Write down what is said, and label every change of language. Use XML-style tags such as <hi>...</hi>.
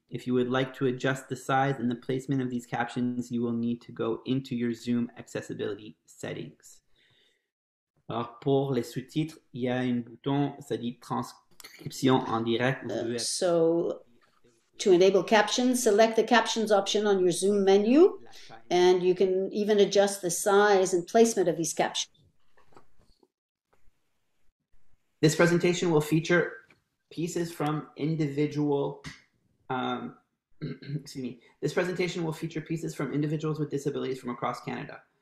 <en>If you would like to adjust the size and the placement of these captions, you will need to go into your Zoom accessibility settings.</en> <fr>Alors pour les sous-titres, il y a un bouton, ça dit transcription en direct.</fr> <en>So, to enable captions, select the captions option on your Zoom menu, and you can even adjust the size and placement of these captions. This presentation will feature pieces from individual, this presentation will feature pieces from individuals with disabilities from across Canada.</en>